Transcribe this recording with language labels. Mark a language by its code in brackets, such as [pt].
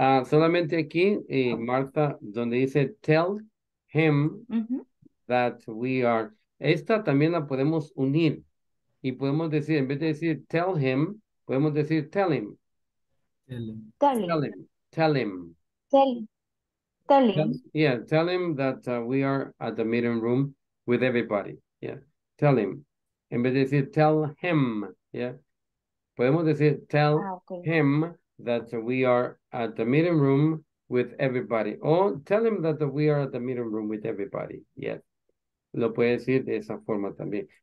[es] Solamente aquí, Marta, donde dice [en] tell him that we are. [es] Esta también la podemos unir y podemos decir, en vez de decir [en] tell him, [es] podemos decir tell him. [en] Tell him. Yeah, tell him that we are at the meeting room with everybody. Yeah, tell him. [es] En vez de decir [en] tell him, yeah, [es] podemos decir [en] tell him that we are at the meeting room with everybody. Or tell him that we are at the meeting room with everybody. [es] Yeah, lo puede decir de esa forma también.